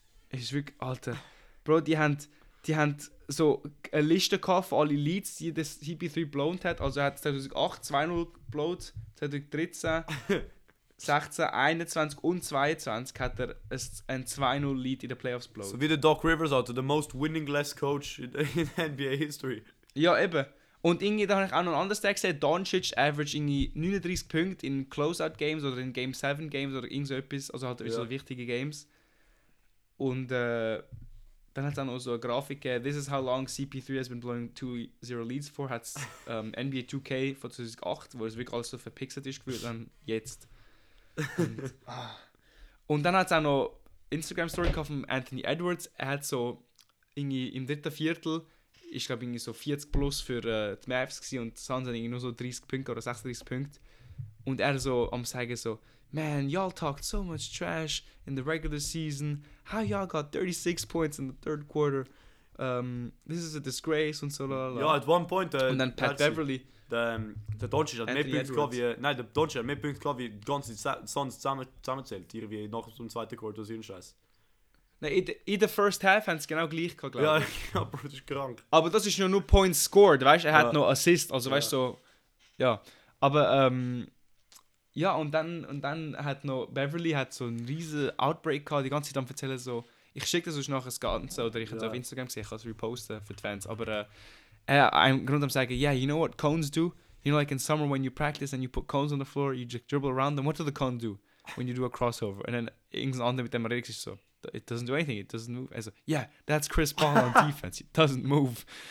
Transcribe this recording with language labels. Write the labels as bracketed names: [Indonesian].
[German] Es ist wirklich, Alter. Bro, die haben so eine Liste gehabt für alle Leads, die das CP3 blown hat. Also er hat 2008 2-0 blown, 2013. 16, 21 und 22 hat er ein 2-0 Lead in den Playoffs blown. So wie der [English] Doc Rivers, also the most winningless coach in NBA history. [German] Ja, eben. Und irgendwie, da habe ich auch noch einen anderen Stack gesehen. Doncic average irgendwie 39 Punkte in Closeout Games oder in Game 7 Games oder irgend so etwas. Also halt so wichtige Games. Und dann hat es auch noch so eine Grafik gegeben. [English] This is how long CP3 has been blowing 2-0 leads for. [German] Hat es NBA 2K von 2008, wo es wirklich alles so verpixelt ist gefühlt. Dann jetzt. und dann hat es auch noch Instagram-Story von Anthony Edwards. Er hat so irgendwie im dritten Viertel, ich glaube irgendwie so 40 plus für die Mavs gewesen und die Suns irgendwie nur so 30 Punkte oder 36 Punkte. Und er so am sagen so, [English] man, y'all talked so much trash in the regular season. How y'all got 36 points in the third quarter? This is a disgrace [German] und so lalala. [English] Ja, at one point. [German] Und dann Pat Beverly. Der Doncic hat mehr Punkte gehabt wie... Nein, der Doncic hat mehr Punkte gehabt wie die ganze Suns zusammenzählt. Irgendwie nach dem zweiten Quarter oder so ein Scheiß. Nein, in der First Half haben sie genau gleich gehabt, glaube ich. Ja, aber das ist krank. Aber das ist nur Points scored, weißt du? Er hat noch Assist, also weißt du so... Ja, aber ja, und dann hat noch... Beverly hat so einen riesen Outbreak gehabt, die ganze Zeit am erzählen so... Ich schicke das euch nachher das Ganze, oder ich habe es auf Instagram gesehen, ich kann es reposten für die Fans, aber... I'm grundsätzlich sagen, [English] yeah, you know what cones do? You know, like in summer when you practice and you put cones on the floor, you just dribble around them. What do the cones do when you do a crossover? And then [German] irgendein anderer mit dem Redix ist so, [English] it doesn't do anything, it doesn't move. Also, yeah, that's Chris Paul on defense, it doesn't move.